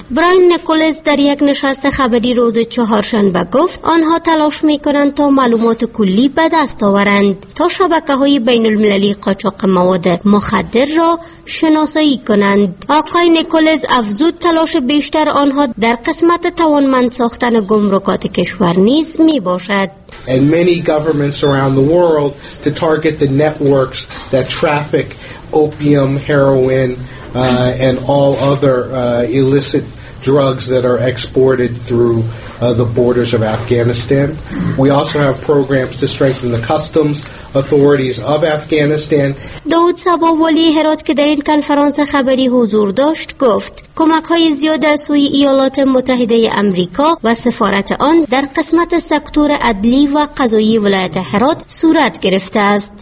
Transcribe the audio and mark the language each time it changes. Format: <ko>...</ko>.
<fa>براین نیکولز در یک نشست خبری روز چهارشنبه گفت آنها تلاش میکنند تا معلومات کلی به دست آورند تا شبکه‌های بین المللی قاچاق مواد مخدر را شناسایی کنند. آقای نیکولز افزود تلاش بیشتر آنها در قسمت توانمند ساختن گمرکات کشور نیز میباشد.</fa> <en>And many governments around the world to target the networks that traffic opium, heroin, and all other illicit drugs that are exported through the borders of Afghanistan. We also have programs to strengthen the customs authorities of Afghanistan.</en> <fa>داود سبا والی هرات که در این کنفرانس خبری حضور داشت گفت کمک های زیاد از سوی ایالات متحده آمریکا و سفارت آن در قسمت سکتور عدلی و قضایی ولایت هرات صورت گرفته است.</fa>